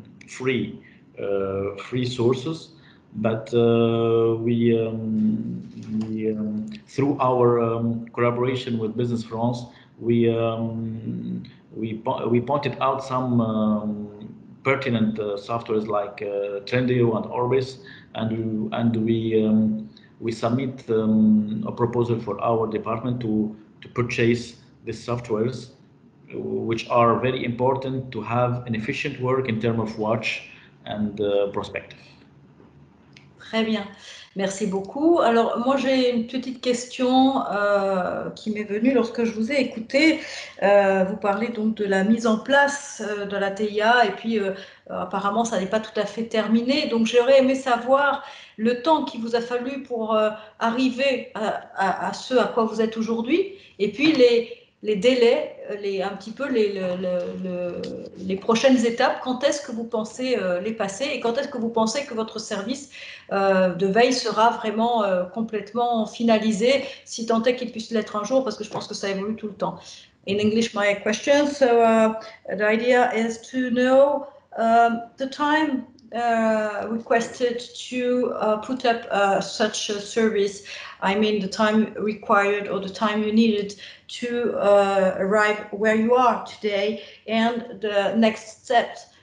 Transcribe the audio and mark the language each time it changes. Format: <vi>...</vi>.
<en>free sources, but through our collaboration with Business France, we pointed out some pertinent softwares like Trendio and Orbis, and we submit a proposal for our department to purchase these softwares, which are very important to have an efficient work in terms of watch and prospective.</en> <fr>Très bien, merci beaucoup. Alors moi j'ai une petite question qui m'est venue lorsque je vous ai écouté. Vous parlez donc de la mise en place de la TIA et puis apparemment ça n'est pas tout à fait terminé. Donc j'aurais aimé savoir le temps qu'il vous a fallu pour arriver à ce à quoi vous êtes aujourd'hui et puis les délais, les prochaines étapes, quand est-ce que vous pensez les passer et quand est-ce que vous pensez que votre service de veille sera vraiment complètement finalisé, si tant est qu'il puisse l'être un jour, parce que je pense que ça évolue tout le temps.</fr> <en>In English, my question, so the idea is to know the time requested to put up such a service. I mean, the time required or the time you needed to arrive where you are today, and the next steps.</en>